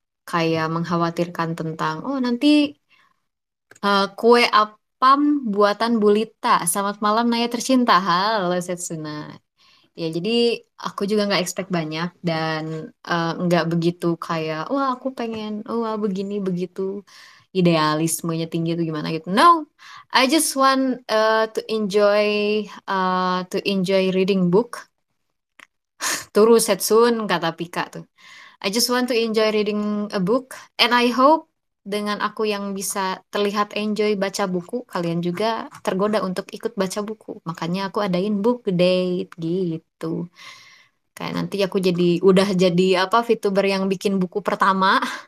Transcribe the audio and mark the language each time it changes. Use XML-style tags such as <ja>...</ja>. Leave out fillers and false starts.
<id>kayak mengkhawatirkan tentang, oh nanti kue apam buatan Bulita. Selamat malam Naya tercinta. Halo Setsuna. Ya, jadi aku juga nggak expect banyak dan nggak begitu kayak, wah aku pengen, wah begini, begitu. Idealismenya tinggi itu gimana gitu.</id> <en>No, I just want to enjoy reading book.</en> <id>Turu Setsun kata Pika tuh.</id> <en>I just want to enjoy reading a book and I hope</en> <id>dengan aku yang bisa terlihat enjoy baca buku, kalian juga tergoda untuk ikut baca buku. Makanya aku adain book date gitu. Kayak nanti aku jadi udah jadi apa VTuber yang bikin buku pertama.</id>